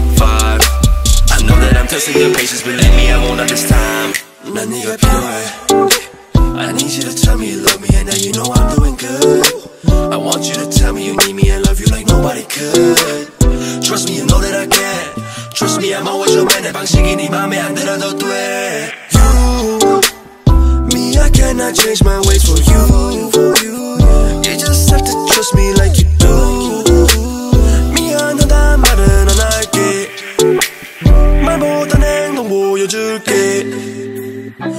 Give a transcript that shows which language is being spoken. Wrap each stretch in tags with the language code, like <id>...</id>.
<en>I know that I'm testing your patience, believe me, I won't let this time.</en> <ko>난 네가 필요해.</ko> <en>I need you to tell me you love me and now you know I'm doing good. I want you to tell me you need me and love you like nobody could. Trust me, you know that I can. Trust me, I'm always your man.</en> <ko>내 방식이 네 맘에 안 들어도 돼.</ko> <en>You, me, I cannot change my ways for you. You just have to trust me like you do.</en> <ko>미안하단 말은 안 할게. 말보단 행동 보여줄게.</ko>